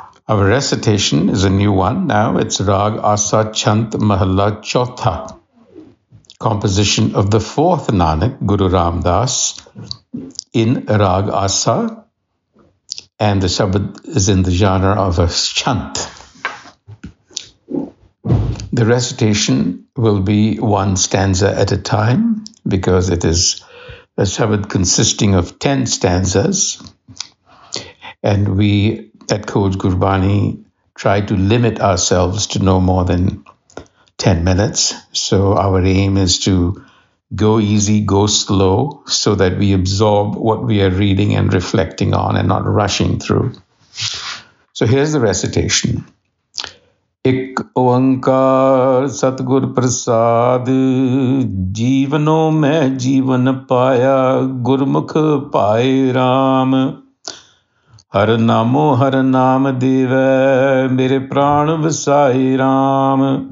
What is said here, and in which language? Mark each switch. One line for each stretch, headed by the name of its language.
English: Our recitation is a new one now. It's raag Asa chhant Mahalla Chautha, composition of the fourth Nanak Guru Ramdas in raag Asa, and the sabad is in the genre of a chhant. The recitation will be one stanza at a time because it is a sabad consisting of 10 stanzas, and we at Khoj Gurbani try to limit ourselves to no more than 10 minutes. So our aim is to go easy, go slow, so that we absorb what we are reading and reflecting on and not rushing through. So here's the recitation.
Punjabi: ਇੱਕ ਓਅੰਕਾਰ ਸਤਿਗੁਰ ਪ੍ਰਸਾਦ, ਜੀਵਨੋ ਮੈਂ ਜੀਵਨ ਪਾਇਆ, ਗੁਰਮੁਖ ਪਾਏ ਰਾਮ। ਹਰ ਨਾਮੋ ਹਰ ਨਾਮ ਦੇਵੈ, ਮੇਰੇ ਪ੍ਰਾਣ ਵਸਾਏ ਰਾਮ।